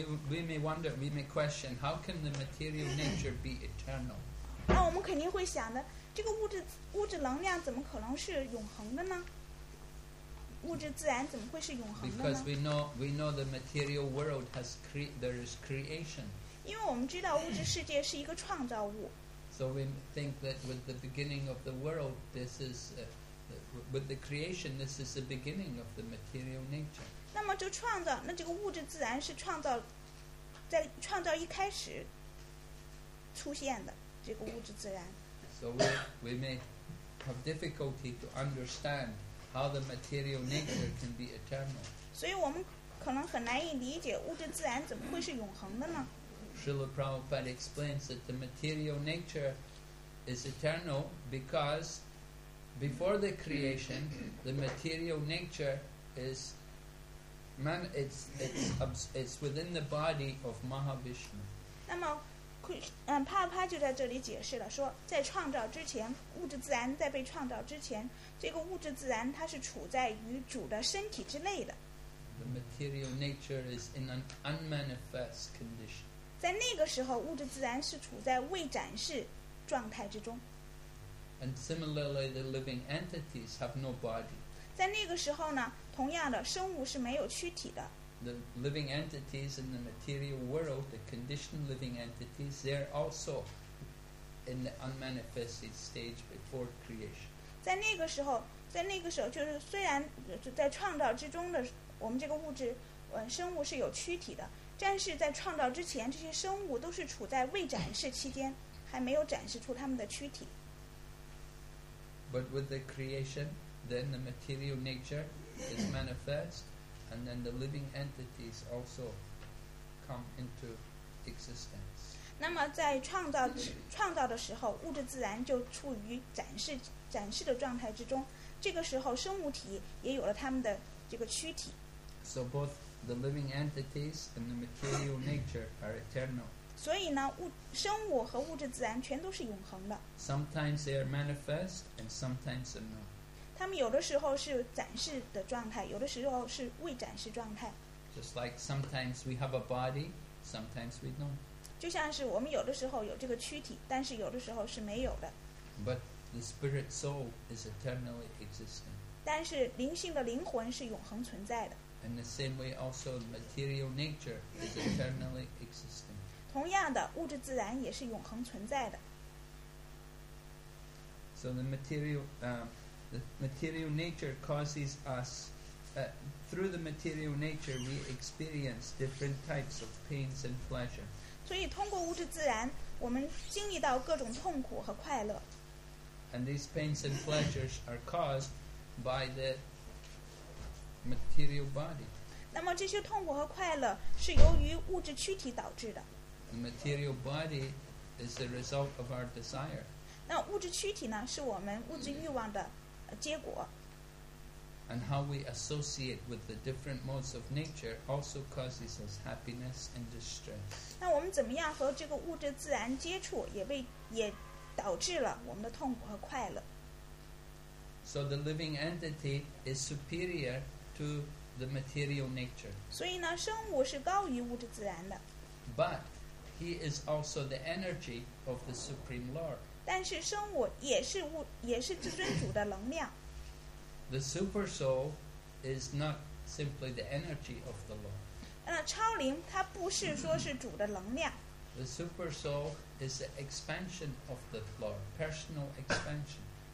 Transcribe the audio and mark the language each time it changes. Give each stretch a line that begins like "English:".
English: We may question, how can the material nature be eternal?
Chinese: 那我们肯定会想的，这个物质能量怎么可能是永恒的呢？物质自然怎么会是永恒的呢？
English: Because we know the material world has there is creation.
Chinese: 因为我们知道物质世界是一个创造物。
English: So we think that with the beginning of the world, this is with the creation, this is the beginning of the material nature.
Chinese: 那么就创造，那这个物质自然是创造，在创造一开始出现的这个物质自然。
English: So we may have difficulty to understand how the material nature can be eternal.
Chinese: 所以我们可能很难以理解物质自然怎么会是永恒的呢？
English: Srila Prabhupada explains that the material nature is eternal because before the creation, the material nature is. It's within the body of Mahavishnu.
Chinese: 那么，帕帕就在这里解释了，说在创造之前，物质自然在被创造之前，这个物质自然它是处在于主的身体之内的。
English: The material nature is in an unmanifest condition.
Chinese: 在那个时候，物质自然是处在未展示状态之中。
English: And similarly, the living entities have no body.
Chinese: 在那个时候呢，同样的，生物是没有躯体的。
English: The living entities in the material world, the conditioned living entities, they're also in the unmanifested stage before creation.
Chinese: 在那个时候，就是虽然在创造之中的我们这个物质，生物是有躯体的，但是在创造之前，这些生物都是处在未展示期间，还没有展示出他们的躯体。
English: But with the creation. Then the material nature is manifest, and then the living entities also come into existence.
Chinese: 那么在创造的时候，物质自然就处于展示的状态之中。这个时候，生物体也有了他们的这个躯体。
English: So both the living entities and the material nature are eternal.
Chinese: 所以呢，生物和物质自然全都是永恒的。
English: Sometimes they are manifest, and sometimes they're not.
Chinese: 他们有的时候是展示的状态，有的时候是未展示状态。
English: Just like sometimes we have a body, sometimes we don't.
Chinese: 就像是我们有的时候有这个躯体，但是有的时候是没有的。
English: But the spirit soul is eternally existing.
Chinese: 但是灵性的灵魂是永恒存在的。
English: In the same way, also material nature is eternally existing.
Chinese: 同样的，物质自然也是永恒存在的。
English: So the material, The material nature causes us, through the material nature, we experience different types of pains and pleasure.
Chinese: 所以通过物质自然，我们经历到各种痛苦和快乐。
English: And these pains and pleasures are caused by the material body.
Chinese: 那么这些痛苦和快乐是由于物质躯体导致的。
English: The material body is the result of our desire.
Chinese: 那物质躯体呢，是我们物质欲望的。结果
English: And how we associate with the different modes of nature also causes us happiness and distress.
Chinese: 那我们怎么样和这个物质自然接触，也导致了我们的痛苦和快乐。
English: So the living entity is superior to the material nature.
Chinese: 所以呢，生物是高于物质自然的。
English: But he is also the energy of the Supreme Lord.
Chinese: 但是生物也是至尊主的能量。
English: The super soul is not simply the energy of the Lord.
Chinese: 超灵它不是说是主的能量。
English: The super soul is the expansion of the Lord, personal expansion.